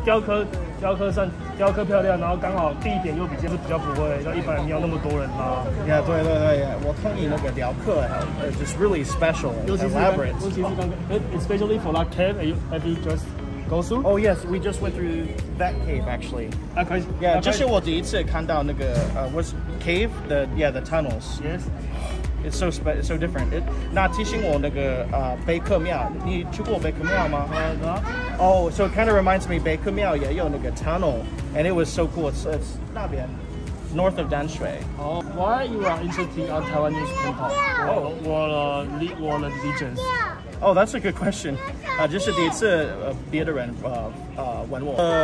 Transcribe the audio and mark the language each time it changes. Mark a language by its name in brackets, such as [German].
[Chinese] 雕刻漂亮，然后刚好地点又比较不会像一般庙那么多人啦。 Yeah, 对对对，我同意那个雕刻 ， [English] just really special, elaborate. [Chinese] 尤其是刚刚 [English] especially for that cave, have you just go through? Oh yes, we just went through that cave actually. Okay. Yeah, [Chinese] 这是我第一次看到那个 [English] what's cave the yeah the tunnels. Yes. It's so different. [Chinese] 那提醒我那个北客庙，你去过北客庙吗？有。 [English] Oh, so it kind of reminds me, [Chinese] 北客庙也有那个 [English] tunnel, and it was so cool. It's 那边 north of Danshui. Oh, why you are interested on Taiwanese people? Oh, what religions? Oh, that's a good question. [Chinese] 这是第一次别的人问我。